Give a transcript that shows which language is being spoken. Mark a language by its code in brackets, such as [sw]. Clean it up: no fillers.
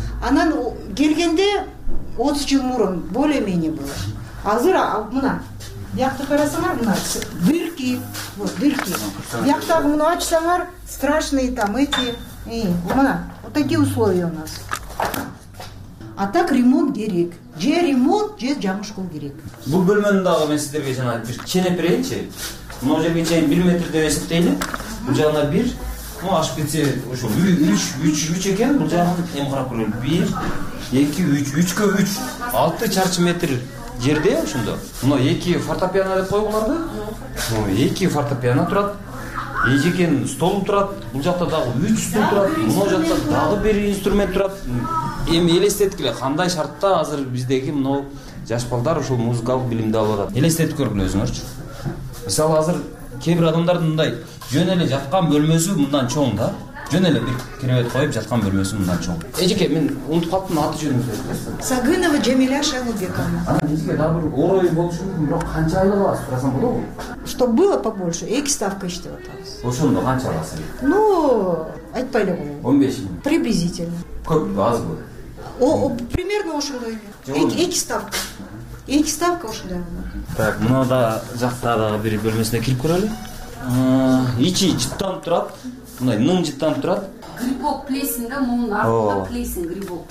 [ky] Анан келгенде 30 жыл мурун более-менее было. Азыр мына биякты карасаңар, мына бирки, вот бирки. Бияктагы муну ачсаңар, страшные там эти. [ru] Мына вот такие условия у нас. [ky] А так ремонт керек. Же ремонт, же жаңышкол керек. Бул бөлмөнүн дагы мен сиздерге жана бир ченеп берейинчи. Муну жерге чейин 1 метр деп эсептейли. Бул жагына 1, ну ашып кетсе ошо 3 экен. Бул жагын эми карап көрөлү. 1, 2, 3, 3×3, 6 чарчы метр жерде ошондо. Муну 2 фортепиано деп койгуларды. Муну 2 фортепиано турат. Эжекен стол турат. Бул жакта дагы 3 стол турат. Муну жакта дагы 1 инструмент турат. Эми элестеткиле, кандай шартта азыр биздеги мынау жаш балдар ушул музыкалык билимди алып атат? Элестетип көргүлө өзүңөрчү. Мисалы азыр кээ бир адамдардын мындай жөн эле жаткан бөлмөсү мындан чоң да. Жөн эле бир керемет коюп жаткан бөлмөсү мындан чоң. Эжеке, мен унутуп калыптым, аты жөнүңүздү айтасыз. Сагынова Жамиля Шайлыбековна. Анан бизге дагы бир орой болушу мүмкүн, бирок канча айлык аласыз, сурасам болобу? [ru] Чтоб было побольше, 2 ставка иштеп атабыз. [ky] Ошондо канча аласыз? Ну, айтпай эле коеюн. 15 миң. [ru] Приблизительно. [ky] Көпбү, азбы? Примерно ошондой эле. 2 ставка. 2 ставка ошондой эле. Так, муну да жакта дагы бир бөлмөсүнө кирип көрөлү. Ичи жыттанып турат. Мындай ным жыттанып турат. Грибок плесень да, мунун артында плесень грибок.